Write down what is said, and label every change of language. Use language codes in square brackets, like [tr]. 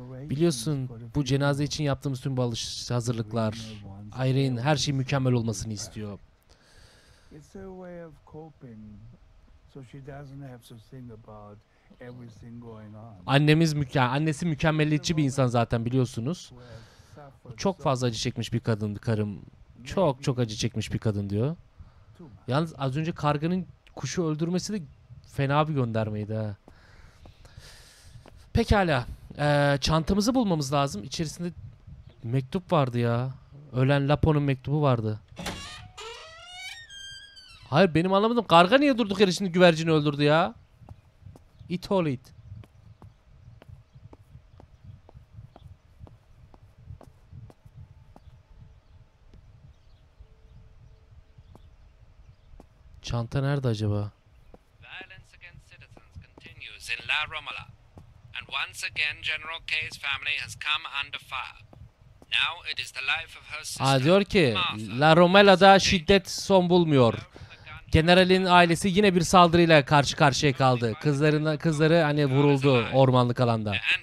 [tr] Biliyorsun, bu cenaze için yaptığımız tüm hazırlıklar, Irene her şey mükemmel olmasını istiyor. [en] It's her way of coping, so she doesn't have to think about everything going on. [tr] Annemiz annesi mükemmeliyetçi bir insan zaten, biliyorsunuz. Çok fazla acı çekmiş bir kadın karım. Çok çok acı çekmiş bir kadın diyor. Yalnız az önce karganın kuşu öldürmesi de fena bir göndermeydi ha. Pekala, çantamızı bulmamız lazım. İçerisinde mektup vardı ya. Ölen Lapo'nun mektubu vardı. Hayır, benim anlamadım. Karga niye durduk yere şimdi güvercini öldürdü ya? It all it. Çanta nerede acaba? [en] Violence against citizens continues in La Romola. And once again General K's family has come under fire. Now it is the life of her sister. [tr] Aa, diyor ki La Romola'da şiddet son bulmuyor. Generalin ailesi yine bir saldırıyla karşı karşıya kaldı. Kızları hani vuruldu ormanlık alanda.